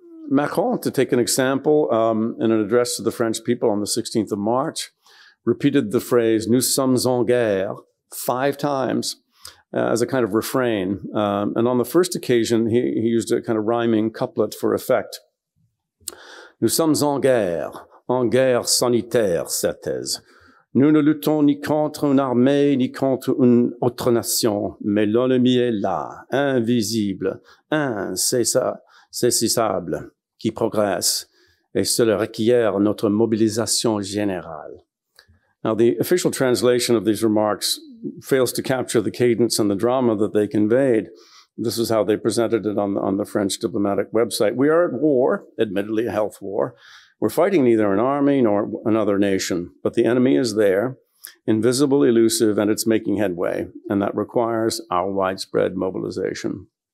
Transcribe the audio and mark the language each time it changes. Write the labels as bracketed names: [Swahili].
[English] Macron, to take an example, in an address to the French people on the 16th of March, repeated the phrase, [French] "Nous sommes en guerre," [English] five times as a kind of refrain. And on the first occasion, he used a kind of rhyming couplet for effect. [French] "Nous sommes en guerre sanitaire, certes. Nous ne luttons ni contre une armée, ni contre une autre nation, mais l'ennemi est là, invisible, insaisissable, qui progresse, et cela requiert notre mobilisation générale." [English] Now, the official translation of these remarks fails to capture the cadence and the drama that they conveyed. This is how they presented it on the French diplomatic website. "We are at war, admittedly a health war. We're fighting neither an army nor another nation, but the enemy is there, invisible, elusive, and it's making headway, and that requires our widespread mobilization."